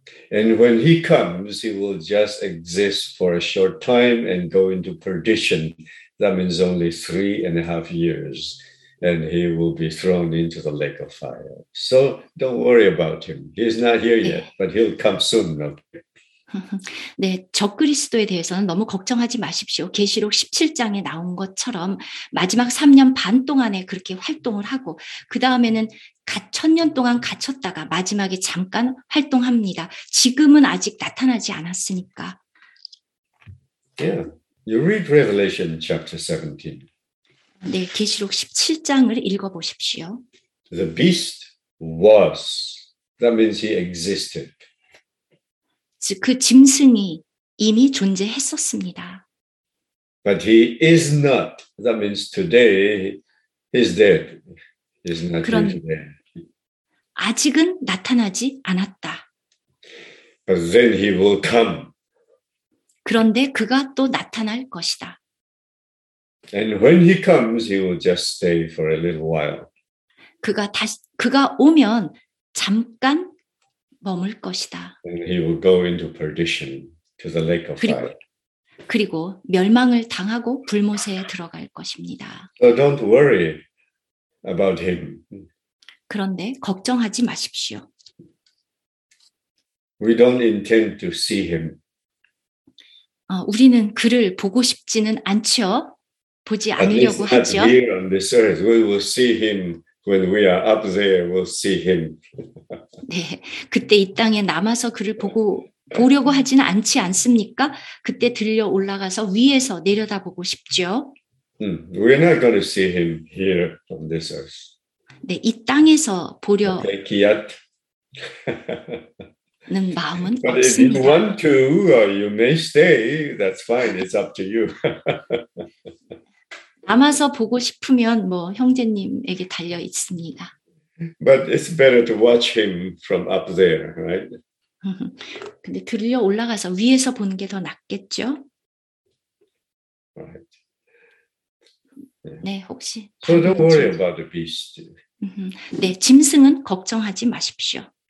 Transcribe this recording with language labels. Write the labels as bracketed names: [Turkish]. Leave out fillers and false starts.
[English] And when he comes, he will just exist for a short time and go into perdition. That means only 3.5 years. And he will be thrown into the lake of fire. So don't worry about him. He's not here yet, but he'll come soon. Okay. [Korean] 네, 적그리스도에 대해서는 너무 걱정하지 마십시오. 계시록 17장에 나온 것처럼 마지막 3년 반 동안에 그렇게 활동을 하고 그 다음에는 1000년 동안 갇혔다가 마지막에 잠깐 활동합니다. 지금은 아직 나타나지 않았으니까. [English] Yeah, you read Revelation chapter 17. [Korean] 네, 계시록 17장을 읽어보십시오. [English] The beast was. That means he existed. [Korean] 그 짐승이 이미 존재했었습니다. [English] But he is not. That means today he's dead. He's not here today. [Korean] 아직은 나타나지 않았다. [English] But then he will come. [Korean] 그런데 그가 또 나타날 것이다. [English] And when he comes, he will just stay for a little while. [Korean] 그가 오면 잠깐 머물 것이다. [English] And he will go into perdition to the lake of fire. [Korean] 그리고 멸망을 당하고 불못에 들어갈 것입니다. [English] So don't worry about him. [Korean] 그런데 걱정하지 마십시오. [English] We don't intend to see him. [Korean] 우리는 그를 보고 싶지는 않죠. 보지 않으려고 하죠. [English] At least not here on this earth. We will see him. When we are up there, we'll see him. [Korean] 네, 그때 이 땅에 남아서 그를 보려고 하지는 않지 않습니까? 그때 들려 올라가서 위에서 내려다 보고 싶죠. [English] We're not going to see him here on this earth. [Korean] 네, 이 땅에서 보려. [English] Okay, yet. [Korean] 는 마음은 [English] but [Korean] 없습니다. [English] If you want to, you may stay. That's fine. It's up to you. [Korean] 남아서 보고 싶으면 뭐 형제님에게 달려 있습니다. [English] But it's better to watch him from up there, right? [Korean] 근데 들려 올라가서 위에서 보는 게 더 낫겠죠? [English] Right. [Korean] Yeah. 네, 혹시 [English] So don't worry about the beast. [Korean] 네, 짐승은 걱정하지 마십시오.